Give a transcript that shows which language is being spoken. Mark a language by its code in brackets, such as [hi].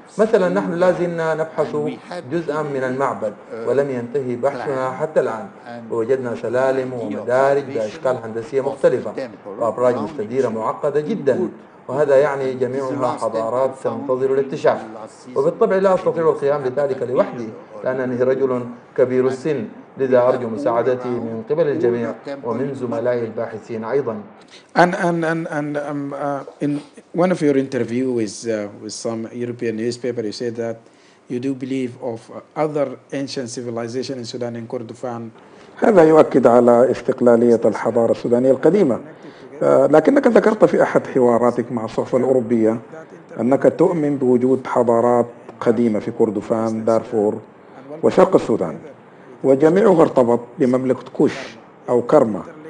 [ar] مثلا نحن لازلنا نبحث جزءا من المعبد ولم ينتهي بحثنا حتى الآن، ووجدنا سلالم ومدارج بأشكال هندسية مختلفة وأبراج مستديرة معقدة جدا، وهذا يعني جميعها حضارات تنتظر الاكتشاف. وبالطبع لا أستطيع القيام بذلك لوحدي لأنني رجل كبير السن، لذا أرجو مساعدتي من قبل الجميع ومن زملائي الباحثين أيضا. [en] In one of your interview with some European newspaper, you said that you do believe of other ancient civilization in Sudan and Kordofan. [ar] هذا يؤكد على استقلالية الحضارة السودانية القديمة، لكنك ذكرت في أحد حواراتك مع الصحف الأوروبية أنك تؤمن بوجود حضارات قديمة في كردفان، دارفور وشرق السودان، وجميعها ارتبط بمملكة كوش أو كرمة.